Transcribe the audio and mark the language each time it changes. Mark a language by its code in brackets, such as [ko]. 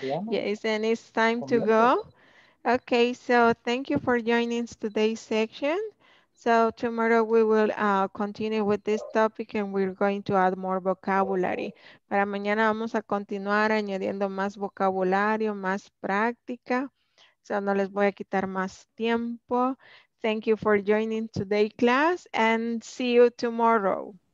[en] Yes, and it's time to go. Okay, so thank you for joining today's section. So tomorrow we will continue with this topic and we're going to add more vocabulary. [es] Para mañana vamos a continuar añadiendo más vocabulario, más práctica. So no les voy a quitar más tiempo. [en] Thank you for joining today's class and see you tomorrow.